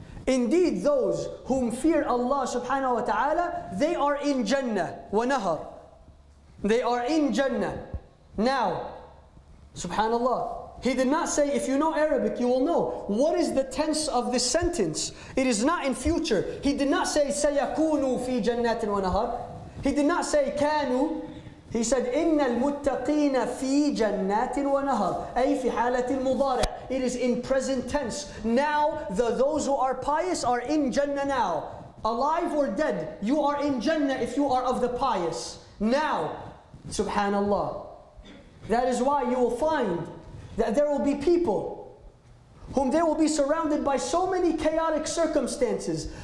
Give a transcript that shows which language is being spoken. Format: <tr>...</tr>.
<en>Indeed, those whom fear Allah subhanahu wa ta'ala, they are in Jannah, وَنَهَرٍ. They are in Jannah. Now, Subhanallah. He did not say, if you know Arabic, you will know. What is the tense of this sentence? It is not in future. He did not say,</en> <ar>سَيَكُونُوا فِي جَنَّةٍ وَنَهَرٍ.</ar> <en>He did not say, كَانُوا. He said,</en> <ar>إِنَّ الْمُتَّقِينَ فِي جَنَّةٍ وَنَهَرٍ. أي في حالة المضارع.</ar> <en>It is in present tense. Now, those who are pious are in Jannah now. Alive or dead, you are in Jannah if you are of the pious. Now, subhanallah. That is why you will find that there will be people whom they will be surrounded by so many chaotic circumstances.</en>